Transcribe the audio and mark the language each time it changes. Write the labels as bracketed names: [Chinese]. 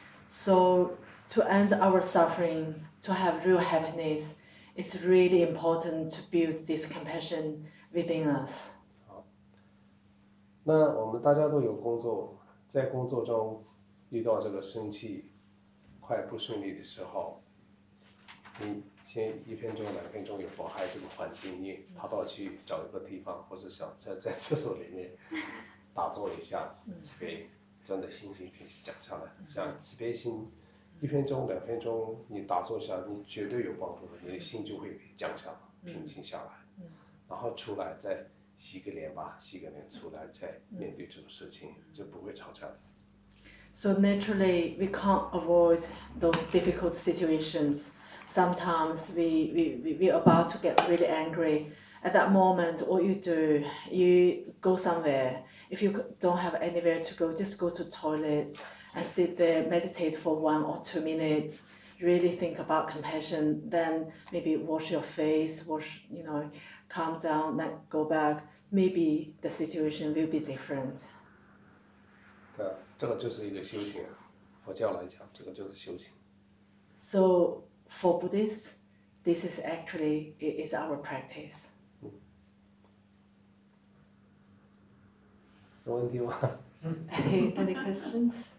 [English] So to end our suffering, to have real happiness, it's really important to build this compassion within us. [Chinese] 那我们大家都有工作，在工作中遇到这个生气、快不顺利的时候，你先一分钟、两分钟有祸害这个环境，你跑到去找一个地方，或者想在厕所里面打坐一下，慈悲，真的心情平息降下来，像慈悲心，一分钟、两分钟你打坐一下，你绝对有帮助的，你的心就会降下来、平静下来，然后出来再。洗个脸吧，洗个脸出来再面对这个事情，就不会吵架的。 [English] So naturally, we can't avoid those difficult situations. Sometimes we are about to get really angry. At that moment, what you do, you go somewhere. if you don't have anywhere to go, just go to the toilet and sit there, meditate for 1 or 2 minutes, really think about compassion, then maybe wash your face, wash, you know, calm down, then go back. Maybe the situation will be different. [Chinese] 对，这个就是一个修行，佛教来讲，这个就是修行。 [English] So for Buddhists, this is actually is our practice. [Chinese] 有问题吗？ [English] Any questions?